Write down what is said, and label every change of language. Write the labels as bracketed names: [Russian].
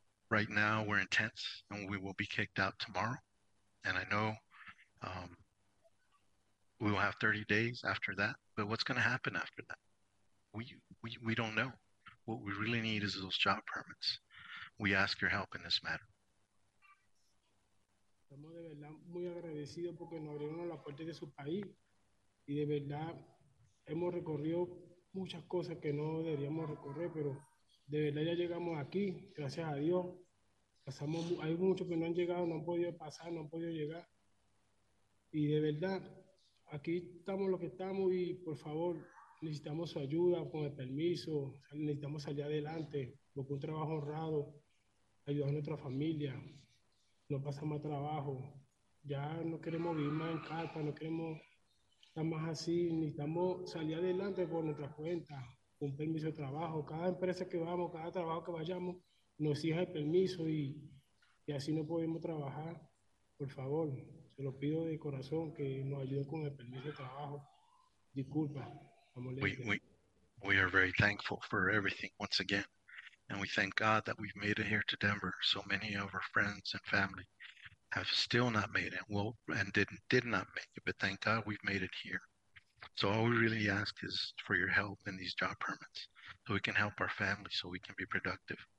[English] Right now, we're in tents, and we will be kicked out tomorrow. And I know We will have 30 days after that, but what's going to happen after that? We don't know. What we really need is those job permits. We ask your help in this matter. [Spanish] Estamos de verdad muy agradecidos porque nos abrieron la puerta de su país y de verdad hemos recorrido muchas cosas que no deberíamos recorrer, pero de verdad ya llegamos aquí, gracias a Dios. Pasamos, hay muchos que no han llegado, no han podido pasar, no han podido llegar. Y de verdad, aquí estamos los que estamos y por favor, necesitamos su ayuda con el permiso, necesitamos salir adelante, porque un trabajo honrado, ayudar a nuestra familia, no pasa más trabajo. Ya no queremos vivir más en carpa, no queremos estar más así, necesitamos salir adelante por nuestra cuenta, un permiso de trabajo. Cada empresa que vamos, cada trabajo que vayamos, nos exige el permiso y así no podemos trabajar. Por favor, se lo pido de corazón que nos ayuden con el permiso de trabajo. Disculpa. [English] We are very thankful for everything once again. And we thank God that we've made it here to Denver. So many of our friends and family have still not made it. Well, and did not make it, but thank God we've made it here. So all we really ask is for your help in these job permits so we can help our family, so we can be productive.